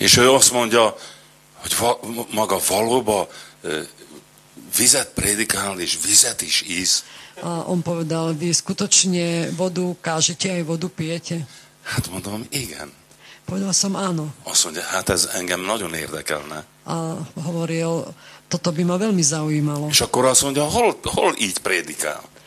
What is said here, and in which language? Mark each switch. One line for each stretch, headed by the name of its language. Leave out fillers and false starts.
Hungarian: És ő azt mondja, hogy maga valóban vizet prédikál, és vizet is íz.
Slovak: A on povedal, vy skutočne vodu kážete, aj vodu pijete.
Hungarian: Hát mondom, igen.
Slovak: Povedal som, áno.
Hungarian: Azt mondja, hát ez engem nagyon érdekelne.
Slovak: A hovoril, toto by ma veľmi zaujímalo.
Hungarian: És akkor azt mondja, hol így prédikál?